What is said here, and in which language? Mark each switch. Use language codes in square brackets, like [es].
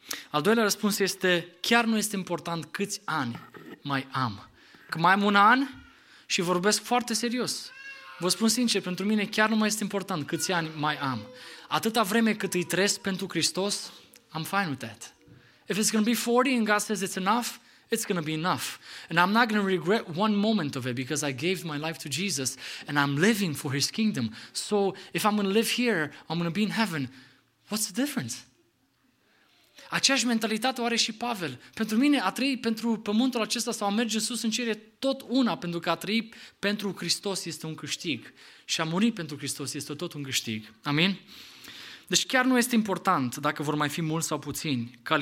[ro] Al doilea răspuns este chiar nu este important câți ani mai am. Că mai am un an și vorbesc foarte serios. Vă spun sincer, pentru mine chiar nu mai este important câți ani mai am. Atâta vreme cât îi trăiesc pentru Hristos, [en] I'm fine with that. If it's going to be 40 and God says it's enough, it's going to be enough. And I'm not going to regret one moment of it because I gave my life to Jesus and I'm living for His kingdom. So if I'm going to live here, I'm going to be in heaven. What's the difference? [ro] Aceeași mentalitate o are și Pavel. Pentru mine a trăi pentru pământul acesta sau a merge sus în cer e tot una, pentru că a trăi pentru Hristos este un câștig. Și a muri pentru Hristos este tot un câștig. Amin? Deci chiar nu este important dacă vor mai fi mulți sau puțini.